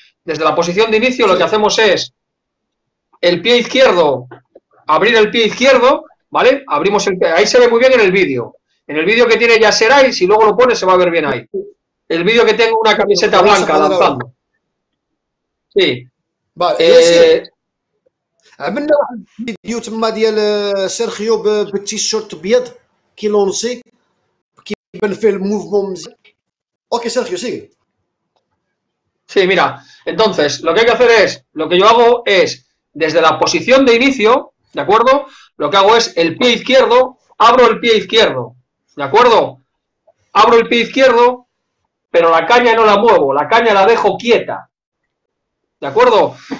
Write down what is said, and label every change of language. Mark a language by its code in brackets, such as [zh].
[es] Desde la posición de inicio lo que hacemos es el pie izquierdo, abrir el pie izquierdo. ¿Vale? Abrimos el pie. Ahí se ve muy bien en el vídeo. En el vídeo que tiene Yasser ahí, si luego lo pone, se va a ver bien ahí. El vídeo que tengo una camiseta Lo voy a blanca sacar ahora. lanzando. Sí. Vale, es decir, [ar] عملنا واحد الفيديو تما ديال سيرخيو بالتيشيرت ابيض كيلونسي كيبان فيه الموفمون مزيان. اوكي سيرخيو سيغي. [es] Sí, mira. Entonces, lo que hay que hacer es, lo que yo hago es, desde la posición de inicio, ¿de acuerdo? Lo que hago es el pie izquierdo, abro el pie izquierdo, ¿de acuerdo? Abro el pie izquierdo, pero la caña no la muevo, la caña la dejo quieta. ¿De acuerdo?